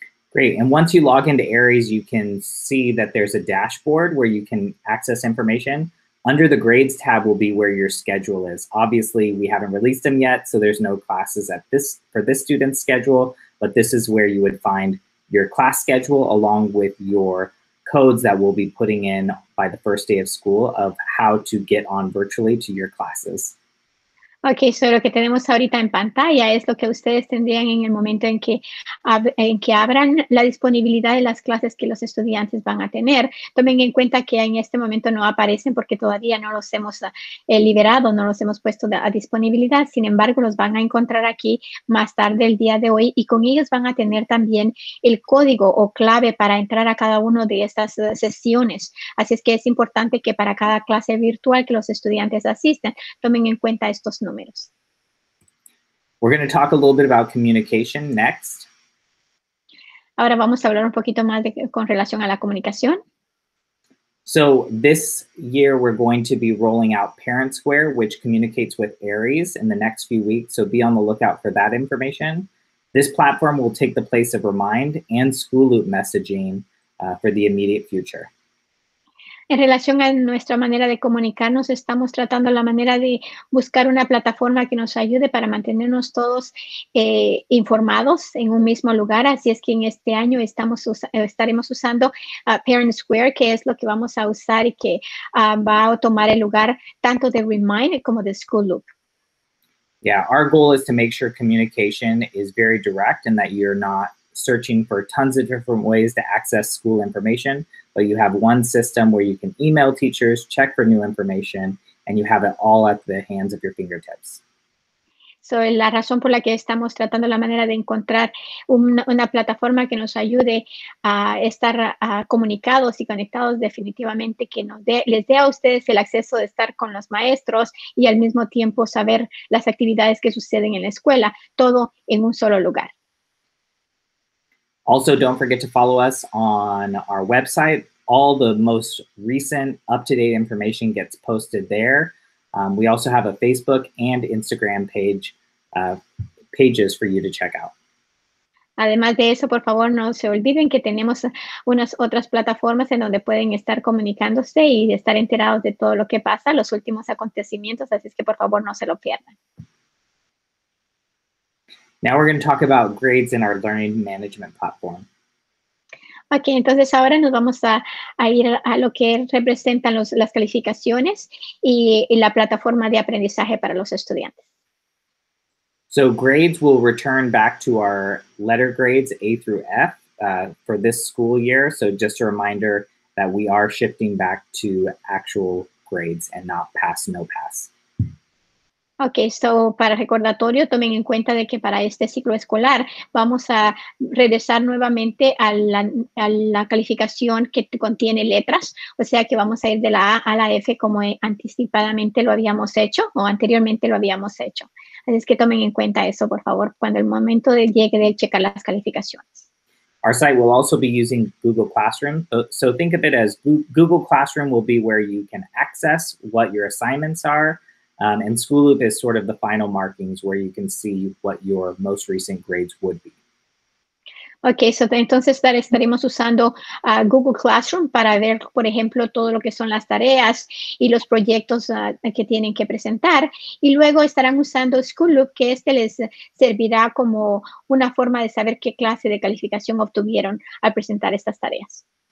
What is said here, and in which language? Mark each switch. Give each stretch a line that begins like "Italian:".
English: Great, and once you log into Aries, you can see that there's a dashboard where you can access information. Under the grades tab will be where your schedule is. Obviously, we haven't released them yet, so there's no classes for this student's schedule, but this is where you would find your class schedule along with your codes that we'll be putting in by the first day of school of how to get on virtually to your classes. Okay, so
Spanish: lo que tenemos ahorita en pantalla es lo que ustedes tendrían en el momento en que abran la disponibilidad de las clases que los estudiantes van a tener. Tomen en cuenta que en este momento no aparecen porque todavía no los hemos liberado, no los hemos puesto a disponibilidad. Sin embargo, los van a encontrar aquí más tarde el día de hoy, y con ellos van a tener también el código o clave para entrar a cada una de estas sesiones. Así es que es importante que para cada clase virtual que los estudiantes asistan, tomen en cuenta estos números.
English: We're going to talk a little bit about communication next.
Spanish: Ahora vamos a hablar un poquito más con relación a la comunicación.
English: So this year we're going to be rolling out Parent Square, which communicates with Aries in the next few weeks. So be on the lookout for that information. This platform will take the place of Remind and School Loop messaging for the immediate future.
Spanish: En relación a nuestra manera de comunicarnos, estamos tratando la manera de buscar una plataforma que nos ayude para mantenernos todos informados en un mismo lugar. Así es que en este año estaremos usando Parent Square, que es lo que vamos a usar y que va a tomar el lugar tanto de Remind como de School Loop.
English: Yeah, our goal is to make sure communication is very direct and that you're not searching for tons of different ways to access school information, but you have one system where you can email teachers, check for new information, and you have it all at the hands of your fingertips.
Spanish: So la razón por la que estamos tratando la manera de encontrar una plataforma que nos ayude a estar comunicados y conectados definitivamente, que nos dé, les dé a ustedes el acceso de estar con los maestros y al mismo tiempo saber las actividades que suceden en la escuela, todo en un solo lugar.
English: Also, don't forget to follow us on our website. All the most recent up-to-date information gets posted there. We also have a Facebook and Instagram page, pages for you to check out.
Spanish: Además de eso, por favor, no se olviden que tenemos unas otras plataformas en donde pueden estar comunicándose y estar enterados de todo lo que pasa, los últimos acontecimientos, así es que por favor, no se lo pierdan.
English: Now we're going to talk about grades in our learning management platform.
Spanish: Okay, entonces ahora nos vamos a ir a lo que representan las calificaciones y la plataforma de aprendizaje para los estudiantes.
English: So grades will return back to our letter grades A through F for this school year. So just a reminder that we are shifting back to actual grades and not pass, no pass. Okay, so
Spanish: para recordatorio, tomen en cuenta de que para este ciclo escolar vamos a regresar nuevamente a la calificación que contiene letras, o sea que vamos a ir de la A a la F como anticipadamente lo habíamos hecho o anteriormente lo habíamos hecho. Así es que tomen en cuenta eso, por favor, cuando el momento llegue de checar las calificaciones.
English: Our site will also be using Google Classroom. So think of it as Google Classroom will be where you can access what your assignments are. And School Loop is sort of the final markings where you can see what your most recent grades would be. Okay, so
Spanish: entonces estaremos usando Google Classroom para ver, por ejemplo, todo lo que son las tareas y los proyectos que tienen que presentar. Y luego estarán usando School Loop, que este les servirá como una forma de saber qué clase de calificación obtuvieron al presentar estas tareas.